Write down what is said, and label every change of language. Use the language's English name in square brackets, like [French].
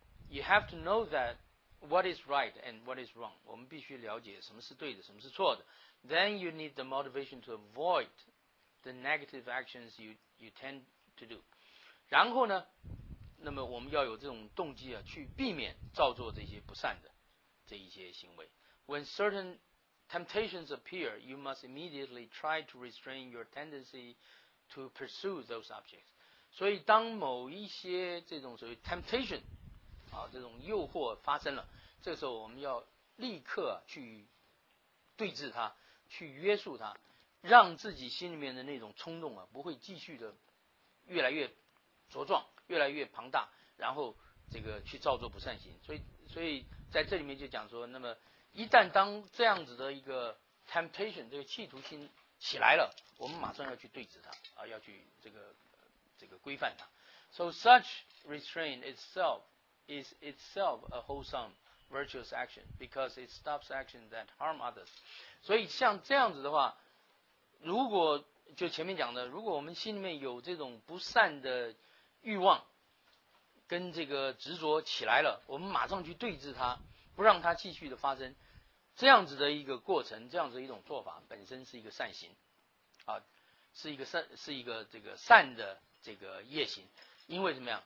[English] You have to know that what is right and what is wrong. [Chinese] 我们必须了解什么是对的，什么是错的。 [English] Then you need the motivation to avoid the negative actions you tend to do. [Chinese] 然后呢，那么我们要有这种动机啊，去避免造作这些不善的这一些行为。 [English] When certain temptations appear, you must immediately try to restrain your tendency. To pursue those objects. [Chinese] 所以当某一些这种所谓 temptation 啊，这种诱惑发生了，这个时候我们要立刻去对治它，去约束它，让自己心里面的那种冲动啊，不会继续的越来越茁壮，越来越庞大，然后这个去造作不善行。所以在这里面就讲说，那么一旦当这样子的一个 temptation 这个企图心起来了，我们马上要去对治它啊，要去这个规范它。 [English] So such restraint itself a wholesome virtuous action because it stops action that harm others. [Chinese] 所以像这样子的话，如果就前面讲的，如果我们心里面有这种不善的欲望跟这个执着起来了，我们马上去对治它，不让它继续的发生，这样子的一个过程，这样子的一种做法本身是一个善行啊，是一个这个善的这个业行。因为怎么样？